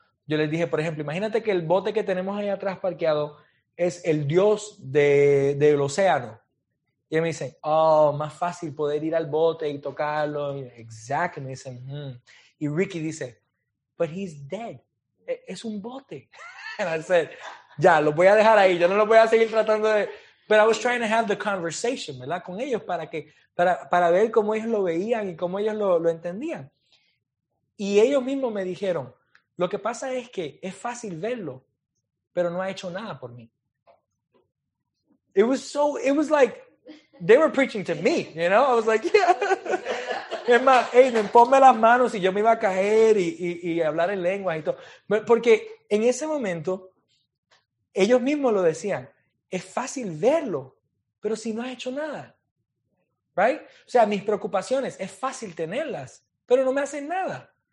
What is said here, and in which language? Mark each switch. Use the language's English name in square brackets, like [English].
[Spanish] Yo les dije, por ejemplo, imagínate que el bote que tenemos ahí atrás parqueado es el Dios del océano. Y me dicen, oh, más fácil poder ir al bote y tocarlo. Exacto. Me dicen, Y Ricky dice, [English] but he's dead. [Spanish] Es un bote. [English] And I said, [Spanish] ya, lo voy a dejar ahí. Yo no lo voy a seguir tratando de... [English] But I was trying to have the conversation, ¿verdad? [Spanish] Con ellos para ver cómo ellos lo veían y cómo ellos lo entendían. Y ellos mismos me dijeron, lo que pasa es que es fácil verlo, pero no ha hecho nada por mí. [English] It was like... They were preaching to me, you know? I was like, yeah. [Spanish] Es más, Aiden, ponme las manos y yo me iba a caer y hablar en lengua y todo. Porque en ese momento, ellos mismos lo decían, es fácil verlo, pero si no has hecho nada. Right? O sea, mis preocupaciones, es fácil tenerlas, pero no me hacen nada.